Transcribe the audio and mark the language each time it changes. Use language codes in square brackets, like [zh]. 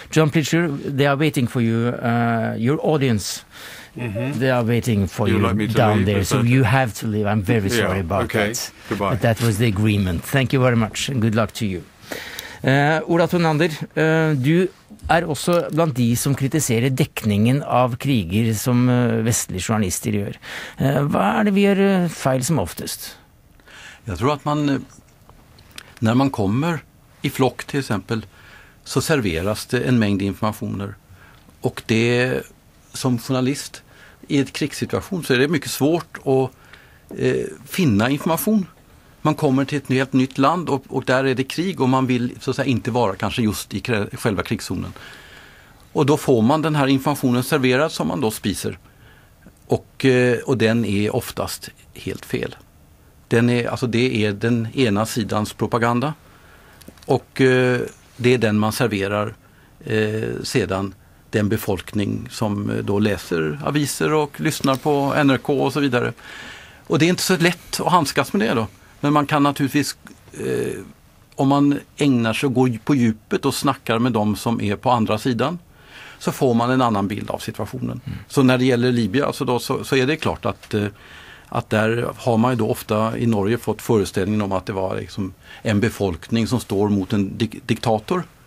[en] John Plitzer, they are waiting for you, your audience. Mm-hmm. They are waiting for you down there, so you have to leave. I'm very sorry about that. Goodbye. But that was the agreement. Thank you very much, and good luck to you. [no] Ola Tonander, du er også blant de som kritiserer dekningen av kriger som vestlige journalister gjør. Hva er det vi gjør feil som oftest? Jeg tror at man, når man kommer i flokk til eksempel, så serveres det en mengde informasjoner. Og det som journalist i et krigssituasjon, så er det mye svårt å finne informasjon. Man kommer til et helt nytt land, og der er det krig, og man vil så å si ikke være kanskje just i selve krigszonen. Og da får man denne informasjonen serveret som man da spiser. Og den er oftest helt fel. Den er, altså det er den ene sidens propaganda, og det er den man serverer sedan den befolkning som da leser aviser og lyssnar på NRK og så videre. Og det er ikke så lett å handskas med det da. [sv] Men man kan naturligtvis, om man ägnar sig och går på djupet och snackar med dem som är på andra sidan, så får man en annan bild av situationen. Mm. Så när det gäller Libya alltså då, så är det klart att där har man ju då ofta i Norge fått föreställningen om att det var liksom en befolkning som står mot en diktator.